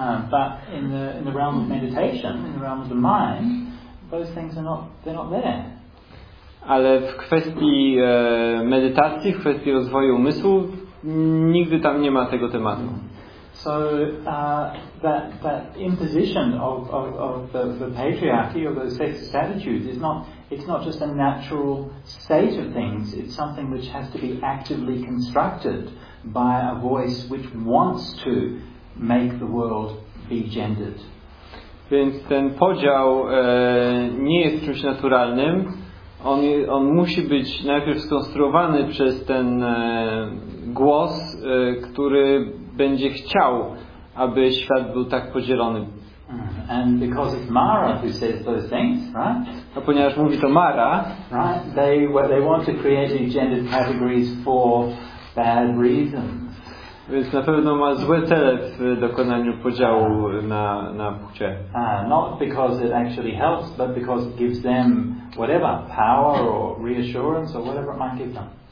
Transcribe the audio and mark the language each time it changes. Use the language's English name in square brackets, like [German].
[English] But in the realm of meditation, in the realm of the mind, those things are not there. [Polish] Ale w kwestii medytacji, w kwestii rozwoju umysłu, nigdy tam nie ma tego tematu. [English] So that imposition of the patriarchy or those sexist attitudes is not just a natural state of things. It's something which has to be actively constructed by a voice which wants to make the world be gendered. [Polish] Więc ten podział nie jest czymś naturalnym. On musi być najpierw skonstruowany przez ten głos, który będzie chciał, aby świat był tak podzielony. [English] And because it's Mara who says those things, right? [Polish] A ponieważ mówi to Mara, [English] right? They want to create gendered categories for bad reasons. [Polish] Więc na pewno ma złe cele w dokonaniu podziału na płcie. [English] Not because it actually helps, but because it gives them whatever power or reassurance or whatever it might give them.